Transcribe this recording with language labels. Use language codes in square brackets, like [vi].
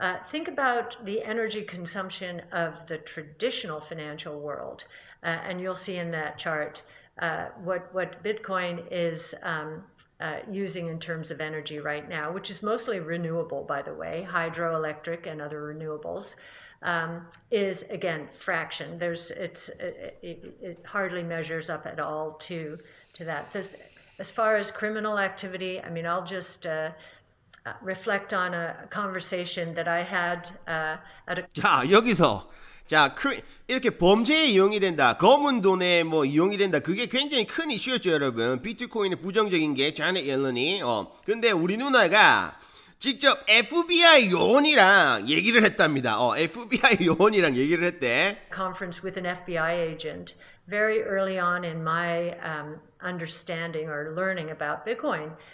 [en] Think about the energy consumption of the traditional financial world, and you'll see in that chart what Bitcoin is using in terms of energy right now, which is mostly renewable, by the way, hydroelectric and other renewables, is again fraction. It hardly measures up at all to that. As far as criminal activity, I mean, I'll just reflect on a conversation that I had at a [ko] 자 여기서 자 이렇게 범죄에 이용이 된다 검은 돈에 뭐 이용이 된다 그게 굉장히 큰 이슈였죠 여러분 비트코인의 부정적인 게 자넷 옐런이 근데 우리 누나가 직접 FBI 요원이랑 얘기를 했답니다 FBI 요원이랑 얘기를 했대 [en] conference with an FBI agent very early on in my understanding or learning about Bitcoin.